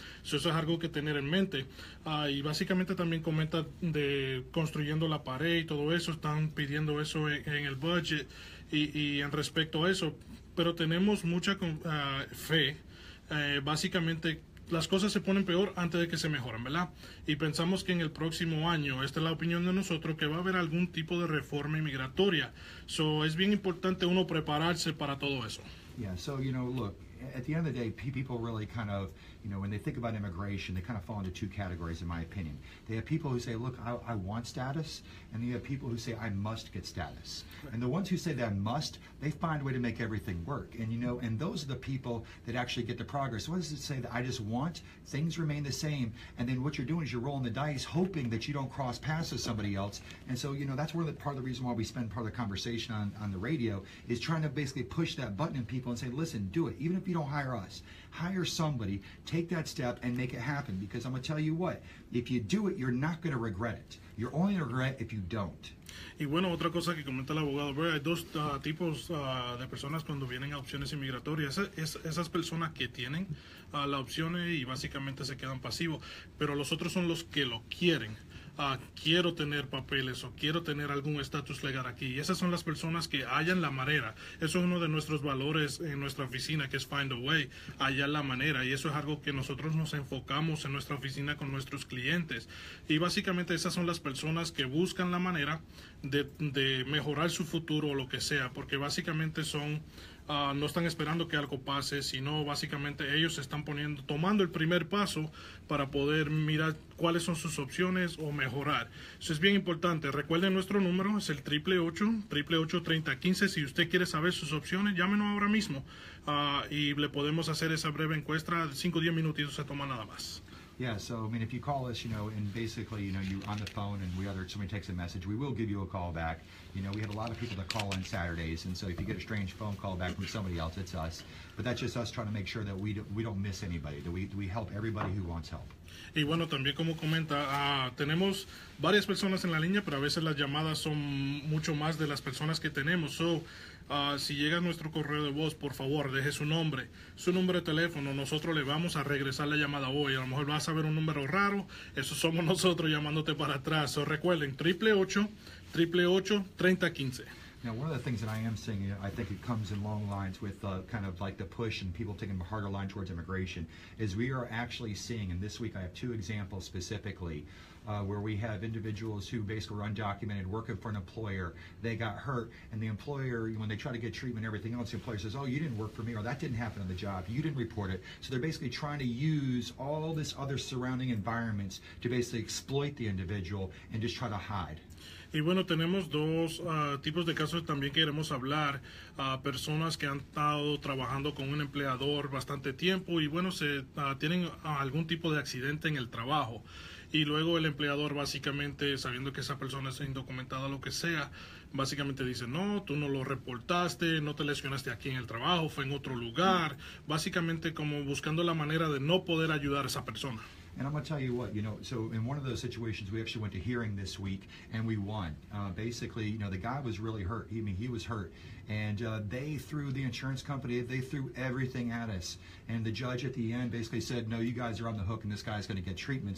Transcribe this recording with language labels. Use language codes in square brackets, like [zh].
[es] So, eso es algo que tener en mente. Y básicamente también comenta de construyendo la pared y todo eso, están pidiendo eso en el budget y en respecto a eso, pero tenemos mucha fe. Básicamente las cosas se ponen peor antes de que se mejoren, ¿verdad? Y pensamos que en el próximo año, esta es la opinión de nosotros, que va a haber algún tipo de reforma inmigratoria. So, es bien importante uno prepararse para todo eso. [en] Yeah, so, you know, look, at the end of the day, people really kind of, you know, when they think about immigration, they kind of fall into two categories, in my opinion. They have people who say, look, I want status, and they have people who say, I must get status. And the ones who say that must, they find a way to make everything work. And, you know, and those are the people that actually get the progress. What does it say that I just want? Things remain the same. And then what you're doing is you're rolling the dice, hoping that you don't cross paths with somebody else. And so, you know, that's where part of the reason why we spend part of the conversation on the radio is trying to basically push that button in people and say, listen, do it. Even if you don't hire us, hire somebody, take that step and make it happen. Because I'm going to tell you what, if you do it, you're not going to regret it. You're only going to regret if you don't. [es] Y bueno, otra cosa que comenta el abogado, hay dos tipos de personas cuando vienen a opciones inmigratorias. Esas personas que tienen las opciones y básicamente se quedan pasivos, pero los otros son los que lo quieren. quiero tener papeles o quiero tener algún estatus legal aquí. Y esas son las personas que hallan la manera. Eso es uno de nuestros valores en nuestra oficina, que es [en] Find a Way, [es] hallar la manera. Y eso es algo que nosotros nos enfocamos en nuestra oficina con nuestros clientes. Y básicamente esas son las personas que buscan la manera de mejorar su futuro o lo que sea, porque básicamente son... no están esperando que algo pase, sino básicamente ellos están poniendo, tomando el primer paso para poder mirar cuáles son sus opciones o mejorar. Eso es bien importante. Recuerden, nuestro número es el 888-888-3015. Si usted quiere saber sus opciones, llámenos ahora mismo y le podemos hacer esa breve encuesta. 5-10 minutitos se toma nada más. Yeah, so I mean, if you call us, you know, and basically, you know, you on the phone and we other somebody takes a message, we will give you a call back. You know, we have a lot of people that call on Saturdays, and so if you get a strange phone call back from somebody else, it's us. But that's just us trying to make sure that we don't miss anybody, that we help everybody who wants help. Y bueno, también como comenta, tenemos varias personas en la línea, pero a veces las llamadas son mucho más de las personas que tenemos. So, si llega nuestro correo de voz, por favor, deje su nombre de teléfono. Nosotros le vamos a regresar la llamada hoy. A lo mejor vas a ver un número raro. Eso somos nosotros llamándote para atrás. So, recuerden, 888-888-3015. [en] Now, one of the things that I am seeing, I think it comes in long lines with kind of like the push and people taking a harder line towards immigration, is we are actually seeing, and this week I have two examples specifically, where we have individuals who basically were undocumented working for an employer. They got hurt, and the employer, when they try to get treatment and everything else, the employer says, oh, you didn't work for me, or that didn't happen on the job, you didn't report it. So they're basically trying to use all this other surrounding environments to basically exploit the individual and just try to hide. [es] Y bueno, tenemos dos tipos de casos también que queremos hablar. Personas que han estado trabajando con un empleador bastante tiempo y bueno, tienen algún tipo de accidente en el trabajo. Y luego el empleador, básicamente, sabiendo que esa persona es indocumentada, lo que sea, básicamente dice, no, tú no lo reportaste, no te lesionaste aquí en el trabajo, fue en otro lugar. Básicamente como buscando la manera de no poder ayudar a esa persona. [en] And I'm going to tell you what, you know, so in one of those situations, we actually went to hearing this week and we won. Basically, you know, the guy was really hurt. He was hurt. And they threw the insurance company, they threw everything at us. And the judge at the end basically said, no, you guys are on the hook and this guy's going to get treatment.